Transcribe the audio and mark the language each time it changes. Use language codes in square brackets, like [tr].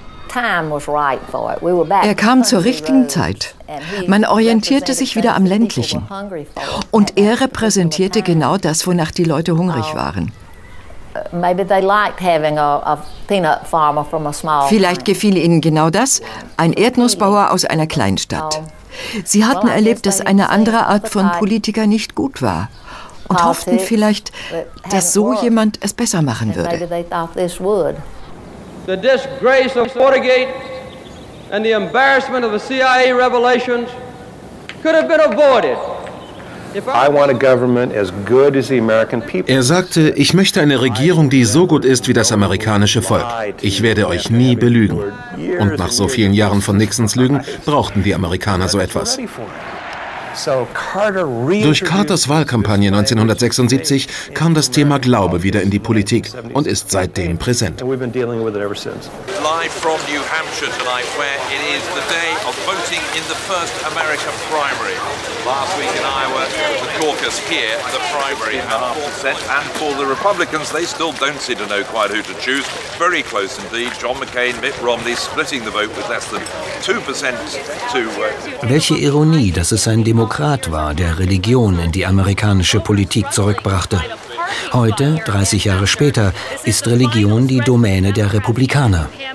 [de] Er kam zur richtigen Zeit. Man orientierte sich wieder am Ländlichen. Und er repräsentierte genau das, wonach die Leute hungrig waren. [en] Maybe they liked having a peanut farmer from a small. [de] Vielleicht gefiel ihnen genau das, ein Erdnussbauer aus einer Kleinstadt. Sie hatten erlebt, dass eine andere Art von Politiker nicht gut war und hofften vielleicht, dass so jemand es besser machen würde. [en] The disgrace of Watergate and the embarrassment of the CIA revelations could have been avoided. [de] Er sagte, ich möchte eine Regierung, die so gut ist wie das amerikanische Volk. Ich werde euch nie belügen. Und nach so vielen Jahren von Nixons Lügen brauchten die Amerikaner so etwas. Durch Carters Wahlkampagne 1976 kam das Thema Glaube wieder in die Politik und ist seitdem präsent. [en] Live from New Hampshire tonight, where it is the day of voting in the first American primary. Last week in Iowa, the caucus here, the primary set. And for the Republicans, they still don't seem to know quite who to choose. Very close indeed. John McCain, Mitt Romney splitting the vote with less than 2% to. [de] Welche Ironie, dass es ein Demokrat war, der Religion in die amerikanische Politik zurückbrachte. Heute, 30 Jahre später, ist Religion die Domäne der Republikaner.